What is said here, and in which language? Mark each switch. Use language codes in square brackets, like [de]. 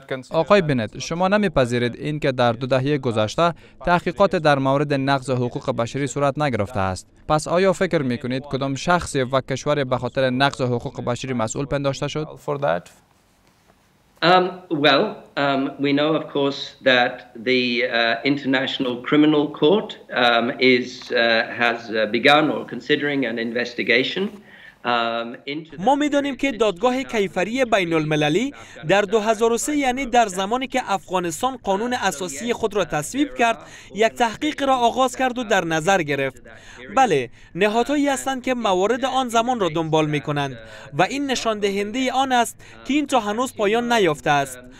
[fa] آقای بنت، شما نمیپذیرید این که در دو دهه گذشته تحقیقات در مورد نقض حقوق بشری صورت نگرفته است. پس آیا فکر میکنید کدام شخص و کشور به خاطر نقض حقوق بشری مسئول پنداشته شد؟ [en] We know, of course, that the International Criminal Court has begun or considering an investigation [fa] ما می‌دانیم که دادگاه کیفری بین المللی در 2003 یعنی در زمانی که افغانستان قانون اساسی خود را تصویب کرد یک تحقیق را آغاز کرد و در نظر گرفت. بله، نهادهایی هستند که موارد آن زمان را دنبال می‌کنند و این نشان دهنده آن است که این تا هنوز پایان نیافته است.